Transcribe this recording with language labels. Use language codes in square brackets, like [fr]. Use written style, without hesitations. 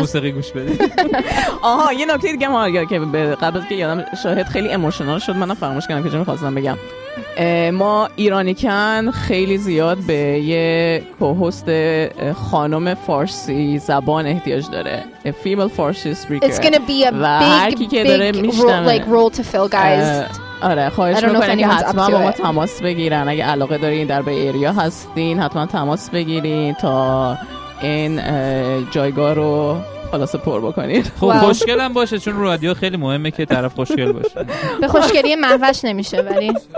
[fa] موسیقی گوش بدی. آها، یه نکته دیگه هم هست که قبل از که یادم شاهد خیلی اموشنال شد، منم فراموش کردم که چی می‌خواستم بگم. ما ایرانیکن خیلی زیاد به یه کوهست خانم فارسی زبان احتیاج داره. [en] A female Farsi speaker. It's gonna be a big role to fill, guys. [fa] آره خواهش میکنم که حتما با ما تماس بگیرن. اگه علاقه دارین در به ایریا هستین حتما تماس بگیرین تا این جایگاه رو خلاصه پر بکنید. خب wow. خوشگل هم باشه، چون رادیو خیلی مهمه که طرف خوشگل باشه. به خوشگلی محوش نمیشه ولی.